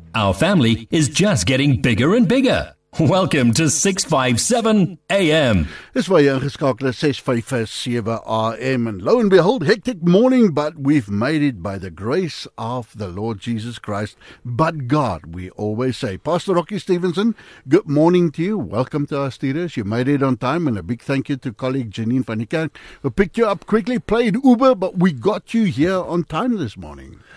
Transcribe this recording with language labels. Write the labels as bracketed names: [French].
[English] Our family is just getting bigger and bigger. Welcome to 657 AM. [Afrikaans] Dis waar jy ingeskakel is, 657 AM. [English] And lo and behold, hectic morning, but we've made it by the grace of the Lord Jesus Christ. But God, we always say. Pastor Rocky Stevenson, good morning to you. Welcome to our studios. You made it on time. And a big thank you to colleague Janine van der Kerk, who picked you up quickly, played Uber, but we got you here on time this morning.